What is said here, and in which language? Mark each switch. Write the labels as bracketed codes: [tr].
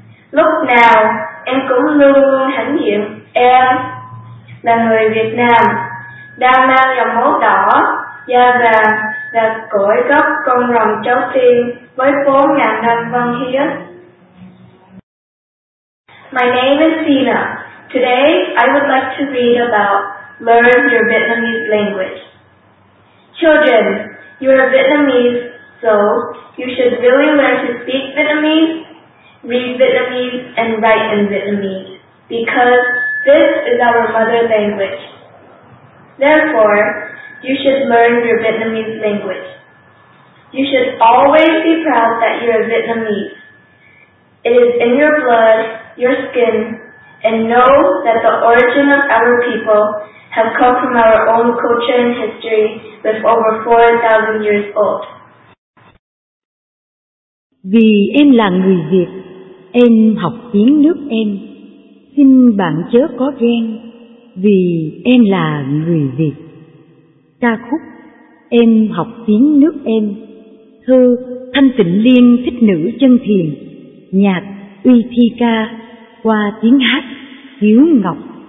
[vi] Lúc nào em cũng luôn luôn hãnh diện em là người Việt Nam, đang mang dòng máu đỏ, da vàng và cội gốc con rồng cháu tiên với 4.000 năm văn hiến. [en] My name is Tina. Today, I would like to read about Learn Your Vietnamese Language. Children, you are Vietnamese, so you should really learn to speak Vietnamese, read Vietnamese, and write in Vietnamese, because this is our mother language. Therefore, you should learn your Vietnamese language. You should always be proud that you are Vietnamese. It is in your blood, your skin, and know that the origin of our people have come from our own culture and history with over 4,000 years old. [vi] Vì em là người Việt, em học tiếng nước em. Xin bạn chớ có ghen, vì em là người Việt. Ca khúc Em học tiếng nước em, thơ Thanh Tịnh Liên Thích Nữ Chân Thiền, nhạc Uy Thi Ca, qua tiếng hát Hiếu Ngọc.